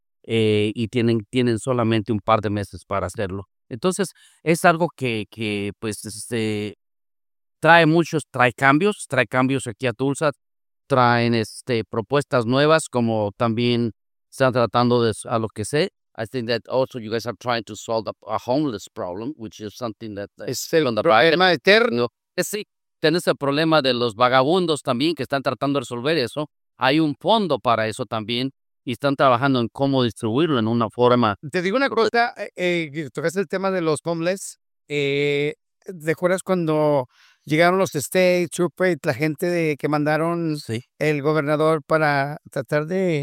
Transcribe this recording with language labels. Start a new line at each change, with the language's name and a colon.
Spanish: Y tienen solamente un par de meses para hacerlo. Entonces, es algo que pues trae muchos, trae cambios aquí a Tulsa, traen propuestas nuevas, como también están tratando de, a lo que sé.
English: I think that also you guys are trying to solve a homeless problem, which is something that...
Spanish: Es el problema eterno. Sí, tenés el problema de los vagabundos también que están tratando de resolver eso. Hay un fondo para eso también y están trabajando en cómo distribuirlo en una forma. Te digo una cosa, tocaste el tema de los homeless. ¿Te acuerdas cuando llegaron los State Troopers, la gente que mandaron el gobernador para tratar de